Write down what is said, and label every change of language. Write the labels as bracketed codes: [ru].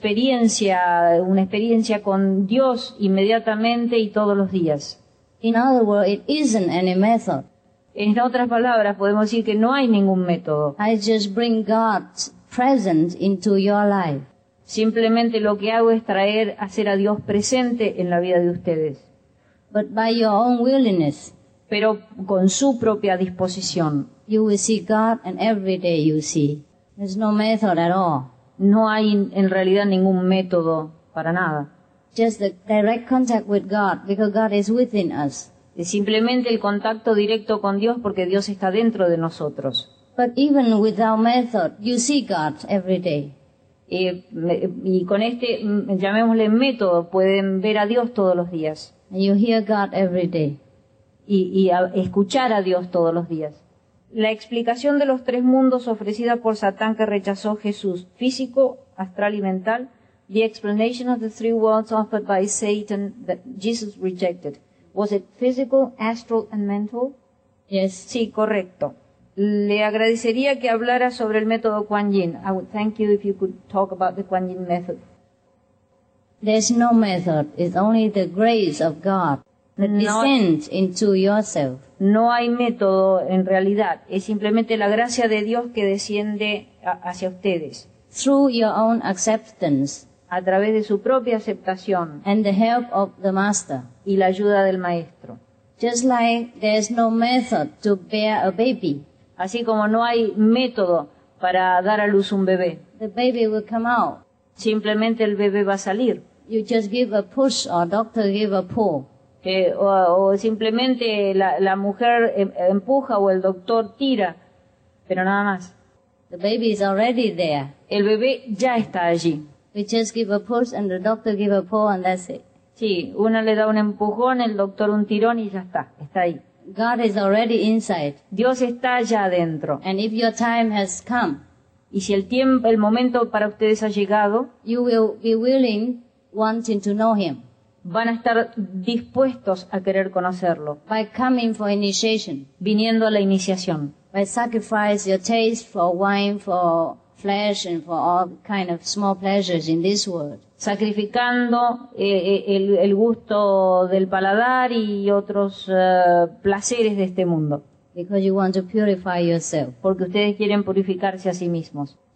[es] Pero es una experiencia con Dios inmediatamente y todos los días. [en] In other words, it isn't any method. [es] En otras palabras, podemos decir que no hay ningún método. [en] I just bring God's presence into your life. [es] Simplemente lo que hago es hacer a Dios presente en la vida de ustedes. [en] But by your own willingness. [es] Pero con su propia disposición. [en] You will see God and every day you see. There's no method at all. [es] No hay en realidad ningún método para nada. [en] Just the direct contact with God, because God is within us. [es] Es simplemente el contacto directo con Dios porque Dios está dentro de nosotros. [en] But even without method, you see God every day. [es] Y con este, llamémosle método, pueden ver a Dios todos los días. [en] And you hear God every day. [es] Y escuchar a Dios todos los días. La explicación de los tres mundos ofrecida por Satán que rechazó Jesús, físico, astral y mental. [en] The explanation of the three worlds offered by Satan that Jesus rejected. Was it physical, astral and mental? Yes. [es] Sí, correcto. Le agradecería que hablara sobre el método Kuan Yin. [en] I would thank you if you could talk about the Kuan Yin method. There's no method. It's only the grace of God. Descend into yourself. [es] No hay método en realidad. Es simplemente la gracia de Dios que desciende hacia ustedes. [en] Through your own acceptance. [es] A través de su propia aceptación. [en] And the help of the master. [es] Y la ayuda del maestro. [en] Just like there's no method to bear a baby. [es] Así como no hay método para dar a luz un bebé. [en] The baby will come out. [es] Simplemente el bebé va a salir. [en] You just give a push or doctor give a pull. [es] o simplemente la mujer empuja o el doctor tira, pero nada más. [en] The baby is already there. [es] El bebé ya está allí. [en] We just give a push and the doctor give a pull and that's it. [es] Sí, uno le da un empujón, el doctor un tirón y ya está ahí. [en] God is already inside. [es] Dios está allá adentro. [en] And if your time has come, [es] y si el tiempo, el momento para ustedes ha llegado, [en] you will be willing, wanting to know him. [es] Van a estar dispuestos a querer conocerlo. [en] By coming for initiation. [es] Viniendo a la iniciación. [en] By sacrificing your taste for wine, for flesh and for all kind of small pleasures in this world. [es] Sacrificando el gusto del paladar y otros placeres de este mundo. [en] Because you want to purify yourself. [es] Porque ustedes quieren purificarse a sí mismos.